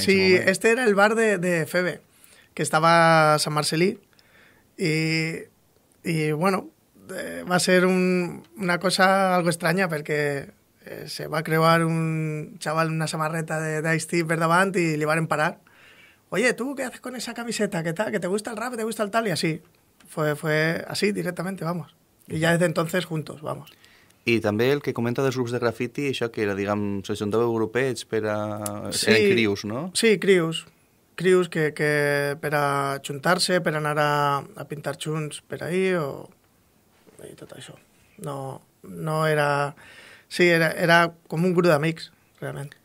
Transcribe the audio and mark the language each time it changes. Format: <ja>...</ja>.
<ca>Sí, este era el bar de Febe, que estava a Sant Marcelí, i bueno... va ser una cosa algo estranya, perquè se va creuar un xaval una samarreta d'Ice-T per davant i li van parar.</ca> <es>Oye, tu, ¿qué haces con esa camiseta? ¿Qué tal? ¿Que te gusta el rap? ¿Te gusta el tal? Y así. Fue así, directamente, vamos. Y ya desde entonces, juntos, vamos.</es> <ca>I també el que comenta dels grups de graffiti, això que era, diguem, se juntava grupets per a... Sí, eren crius, no? Sí, crius. Crius que per a juntar-se, per a anar a pintar junts per ahí o... i tot això. No era... Sí, era com un grup d'amics, realment.</ca>